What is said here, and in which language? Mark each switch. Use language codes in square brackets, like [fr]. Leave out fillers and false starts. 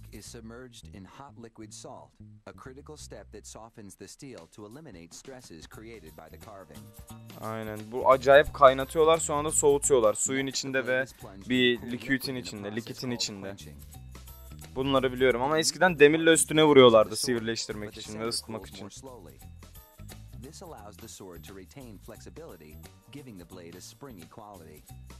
[en] Is submerged in hot liquid salt, a critical step that softens the steel to eliminate stresses created by the carving. [tr] Aynen, bu acayip kaynatıyorlar, sonra da soğutuyorlar suyun içinde ve bir likütün içinde. Bunları biliyorum ama eskiden demirle üstüne vuruyorlardı sivrileştirmek için ve ısıtmak için. [en] This allows the sword to retain flexibility, giving the blade a springy quality.